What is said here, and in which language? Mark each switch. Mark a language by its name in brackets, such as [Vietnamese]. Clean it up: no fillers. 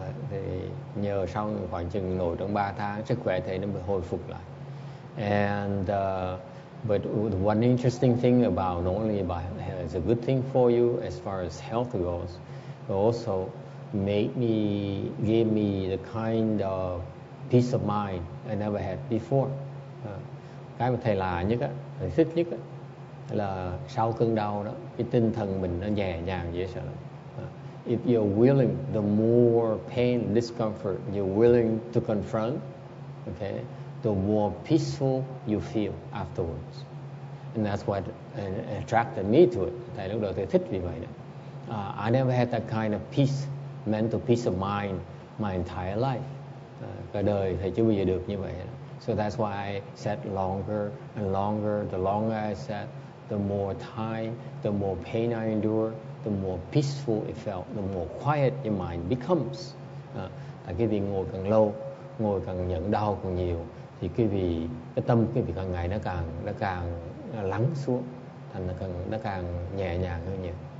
[Vietnamese] Thì nhờ sau khoảng chừng ngồi trong 3 tháng, sức khỏe thầy nó mới hồi phục lại. [English] But one interesting thing about, not only about, it's a good thing for you as far as health goes, but also gave me the kind of peace of mind I never had before. [Vietnamese] Cái mà thầy lạ nhất á, thầy thích nhất á, là sau cơn đau đó cái tinh thần mình nó nhẹ nhàng dễ sợ. [English] If you're willing, the more pain, discomfort you're willing to confront, okay, the more peaceful you feel afterwards. And that's what attracted me to it. [Vietnamese] Tại lúc đó tôi thích vì vậy đó. [English] I never had that kind of peace, mental peace of mind my entire life. [Vietnamese] Cả đời thầy chưa bao giờ được như vậy đó. [English] So that's why I sat longer and longer. The longer I sat, the more time, the more pain I endure, the more peaceful it felt, the more quiet your mind becomes. [Vietnamese] Tại quý vị ngồi càng lâu, ngồi càng nhận đau càng nhiều, thì quý vị, cái tâm quý vị càng ngày nó càng lắng xuống, thành nó càng nhẹ nhàng hơn nhiều.